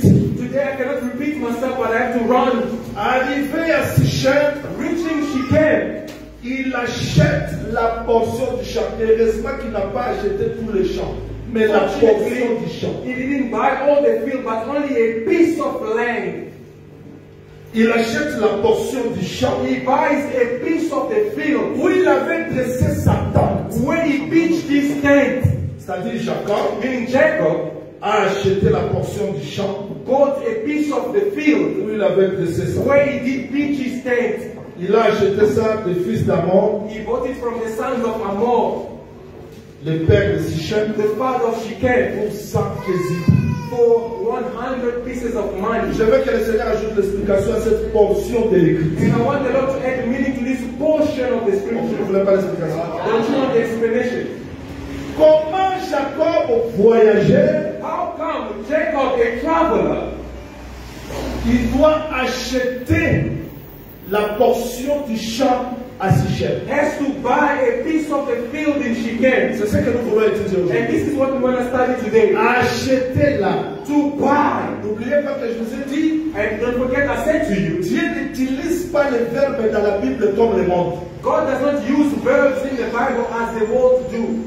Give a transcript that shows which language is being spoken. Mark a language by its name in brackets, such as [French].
[English] Today I cannot repeat myself, but I have to run. [French] Arrivé à Sichem, [English] reaching Shechem, [French] il achète la portion du champ. Heureusement qu'il n'a pas acheté tout le champ, mais la portion du champ. [English] He didn't buy all the field, but only a piece of land. [French] Il achète la portion du champ. [English] He buys a piece of the field. [French] Où il avait dressé sa tente. [English] Where he pitched his tent. [French] C'est-à-dire Jacob. [English] Meaning Jacob. [French] A acheté la portion du champ. [English] Bought a piece of the field. [French] Où il avait dressé sa tente. [English] Where he did pitch his tent. [French] Il a acheté ça des fils d'Amor. [English] He bought it from the sons of Amor. [French] Le père de Sichem. [English] The father of Shechem. [French] Pour 100 pièces. [English] For 100 pieces of money. [French] Je veux que le Seigneur ajoute l'explication à cette portion de l'écriture. [English] And I want the Lord to add meaning to this portion of the scripture. [French] Vous ne voulez pas l'explication? [English] Don't you want the explanation? [French] Comment Jacob voyageait? [English] How come Jacob, a traveler, [French] il doit acheter la portion du champ à Sichem? [English] Has to buy a piece of the field in Shechem. [French] C'est ce que nous voulons étudier aujourd'hui. [English] And this is what we want to study today. [French] Acheter là. [English] To buy. [French] N'oubliez pas que je vous ai dit. [English] And don't forget I said to you. [French] Dieu n'utilise pas les verbes dans la Bible comme le monde. [English] God does not use verbs in the Bible as the world do.